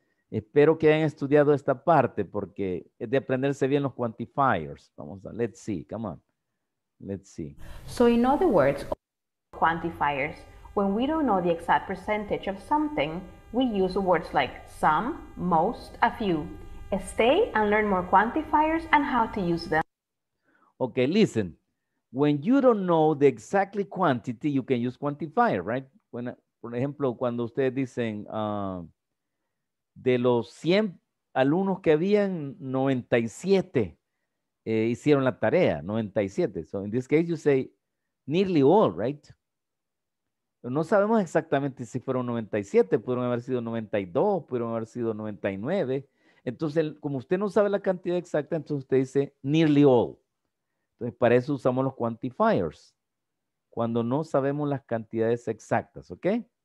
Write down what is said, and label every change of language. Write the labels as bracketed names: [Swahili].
[Spanish] Espero que hayan estudiado esta parte porque es de aprenderse bien los quantifiers. Vamos a, [English] let's see, come on. Let's see. So in other words, quantifiers, when we don't know the exact percentage of something, we use words like some, most, a few. Stay and learn more quantifiers and how to use them. Okay, listen. When you don't know the exactly quantity, you can use quantifier, right? [Spanish] When, por ejemplo, cuando ustedes dicen, de los 100 alumnos que habían, 97 hicieron la tarea, 97. [English] So in this case, you say nearly all, right? [Spanish] No sabemos exactamente si fueron 97, pudieron haber sido 92, pudieron haber sido 99. Entonces, como usted no sabe la cantidad exacta, entonces usted dice [English] nearly all. [Spanish] Entonces, para eso usamos los quantifiers, cuando no sabemos las cantidades exactas, ¿ok?